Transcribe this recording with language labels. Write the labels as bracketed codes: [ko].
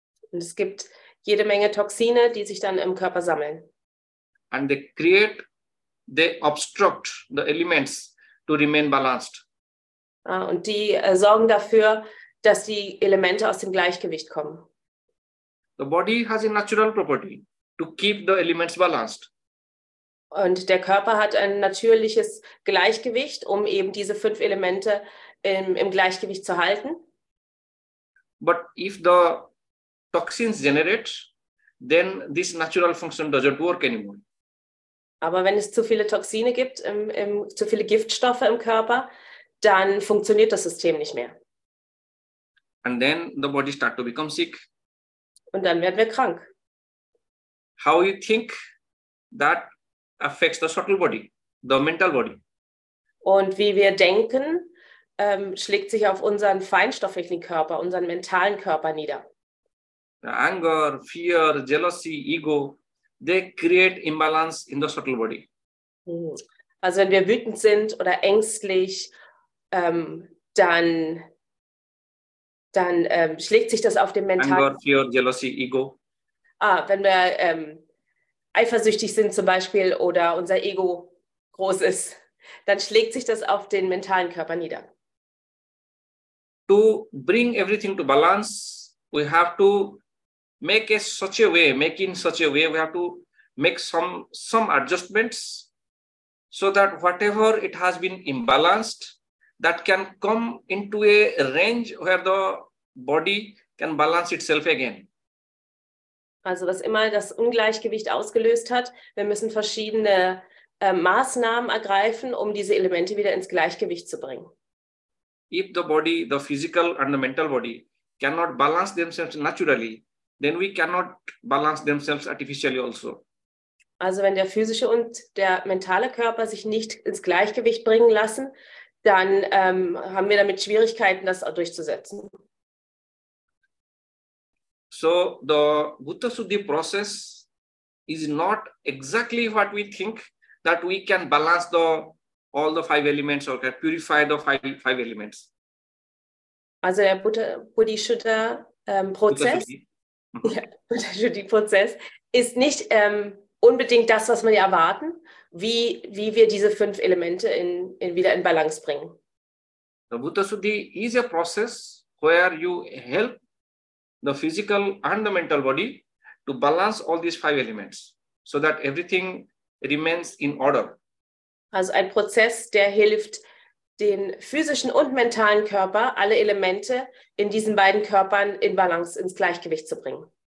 [de] Und es gibt jede Menge Toxine, die sich dann im Körper sammeln. [en] And they obstruct the elements to remain balanced. [de] Und die sorgen dafür, dass die Elemente aus dem Gleichgewicht kommen. [en] The body has a natural property to keep the elements balanced. [de] Und der Körper hat ein natürliches Gleichgewicht, um eben diese fünf Elemente im Gleichgewicht zu halten. [en] But if the toxins generate, then this natural function doesn't work anymore. [de] Aber wenn es zu viele Toxine gibt, zu viele Giftstoffe im Körper, dann funktioniert das System nicht mehr. [en] And then the body start to become sick. [de] Und dann werden wir krank. [en] How you think that affects the subtle body, the mental body. [de] Und wie wir denken, schlägt sich auf unseren feinstofflichen Körper, unseren mentalen Körper nieder. [en] The anger, fear, jealousy, ego, they create imbalance in the subtle body. [de] Also wenn wir wütend sind oder ängstlich, dann schlägt sich das auf dem mentalen. [en] Anger, fear, jealousy, ego. [de] Wenn wir eifersüchtig sind zum Beispiel oder unser Ego groß ist, dann schlägt sich das auf den mentalen Körper nieder. [en] To bring everything to balance, we have to make it such a way, make in such a way, we have to make some adjustments so that whatever it has been imbalanced, that can come into a range where the body can balance itself again. [de] Also was immer das Ungleichgewicht ausgelöst hat, wir müssen verschiedene Maßnahmen ergreifen, um diese Elemente wieder ins Gleichgewicht zu bringen. [en] If the body, the physical and the mental body, cannot balance themselves naturally, then we cannot balance themselves artificially also. [de] Also wenn der physische und der mentale Körper sich nicht ins Gleichgewicht bringen lassen, dann haben wir damit Schwierigkeiten, das durchzusetzen. [en] So the Bhuta-Suddhi process is not exactly what we think, that we can balance all the five elements or can purify the five elements. [de] Also der Bhuta-Suddhi-Prozess ist nicht unbedingt das, was wir erwarten, wie wir diese fünf Elemente wieder in Balance bringen. [en] The Buddha Shuddhi is a process where you help the physical and the mental body to balance all these five elements, so that everything remains in order. [de] Also ein Prozess, der hilft, den physischen und mentalen Körper, alle Elemente in diesen beiden Körpern in Balance, ins Gleichgewicht zu bringen.